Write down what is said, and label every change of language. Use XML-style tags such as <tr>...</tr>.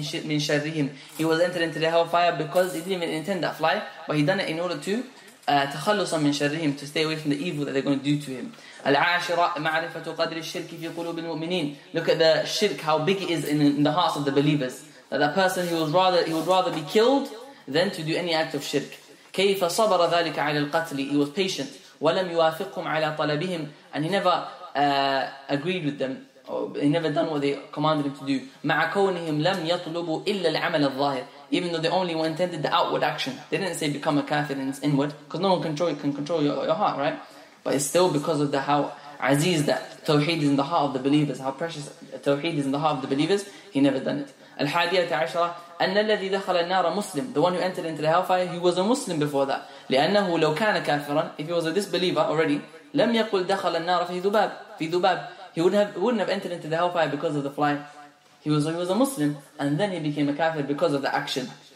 <ar>من شرهم</ar> <en>he was entered into the hellfire because he didn't even intend that fly but he done it in order to</en> <ar>تخلصا من شرهم</ar> <en>to stay away from the evil that they're going to do to him</en> <ar>العاشرة معرفة قدر الشرك في قلوب المؤمنين</ar> <en>look at the shirk how big it is in the hearts of the believers That person he would rather be killed than to do any act of shirk.</en> <ar>كيف صبر ذلك على القتل?</ar> <en>He was patient.</en> <ar>ولم يوافقهم على طلبهم.</ar> <en>And he never agreed with them. He never done what they commanded him to do.</en> <ar>مع كونهم لم يطلبوا إلا العمل الظاهر.</ar> <en>Even though they only intended the outward action. They didn't say become a kafir and it's inward. Because no one can control your heart, right? But it's still because of the how aziz that tawheed is in the heart of the believers. How precious tawheed is in the heart of the believers. He never done it.</en> <ar>الحادية عشرة أن الذي دخل النار مسلم</ar> <en>the one who entered into the hellfire he was a Muslim before that</en> <ar>لأنه لو كان كافرا</ar> <en>if he was a disbeliever already</en> <ar>لم يقل دخل النار في ذباب</ar> <en>he wouldn't have entered into the hellfire because of the fly he was a Muslim and then he became a kafir because of the action</en>